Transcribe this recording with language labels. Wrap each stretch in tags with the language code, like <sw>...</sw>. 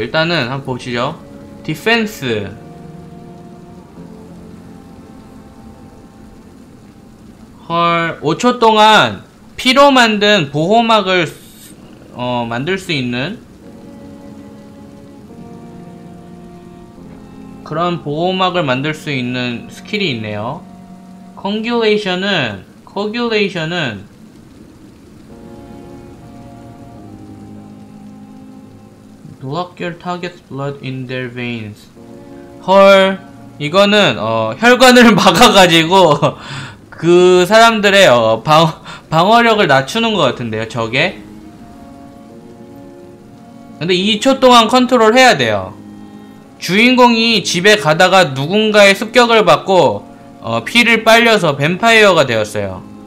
<ko>일단은 한번 보시죠. 디펜스 헐 5초 동안 피로 만든 보호막을 만들 수 있는 그런 보호막을 만들 수 있는 스킬이 있네요.</ko> <en>코귤레이션은 Block your target's blood in their veins.</en> <ko>헐 이거는 혈관을 막아가지고 그 사람들의 방어력을 낮추는 것 같은데요. 저게 근데 2초 동안 컨트롤 해야 돼요. 주인공이 집에 가다가 누군가의 습격을 받고 피를 빨려서 뱀파이어가 되었어요.</ko>